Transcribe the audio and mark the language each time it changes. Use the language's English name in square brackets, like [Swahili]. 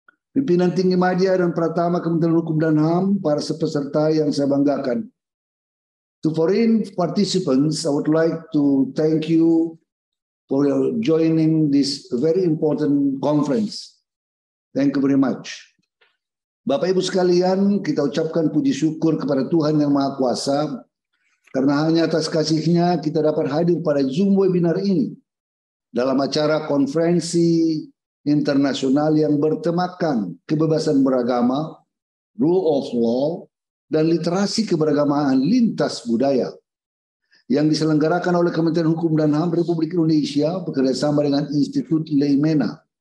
[Indonesian] pimpinan tinggi madya dan pratama Kementerian Hukum dan HAM, para sepeserta yang saya banggakan. [English] To foreign participants, I would like to thank you for joining this very important conference. Thank you very much. [Indonesian] Bapak-Ibu sekalian, kita ucapkan puji syukur kepada Tuhan Yang Maha Kuasa karena hanya atas kasih-Nya kita dapat hadir pada Zoom webinar ini dalam acara konferensi internasional yang bertemakan kebebasan beragama, rule of law, dan literasi keberagamaan lintas budaya yang diselenggarakan oleh Kementerian Hukum dan HAM Republik Indonesia bekerjasama dengan Institut Leimena.